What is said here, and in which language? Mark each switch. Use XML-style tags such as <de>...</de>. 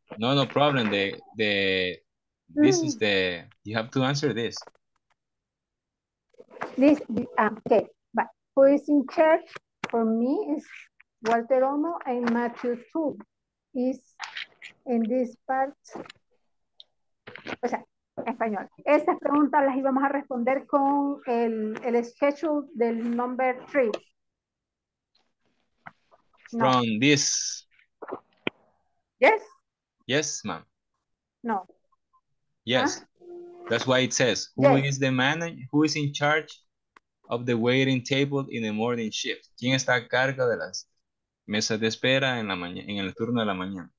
<en>No, no problem. You have to answer this. Okay. But who is in charge for me is Walter Omo and Matthew too is in this part.</en> <es>O sea, en español. Estas preguntas las íbamos a responder con el schedule del number 3.</es> <en>From this. Yes. Yes, ma'am. No. Yes. Huh? That's why it says is the manager, who is in charge of the waiting table in the morning shift.</en> <es>¿Quién está a cargo de las mesa de espera en la mañana, en el turno de la mañana?</es>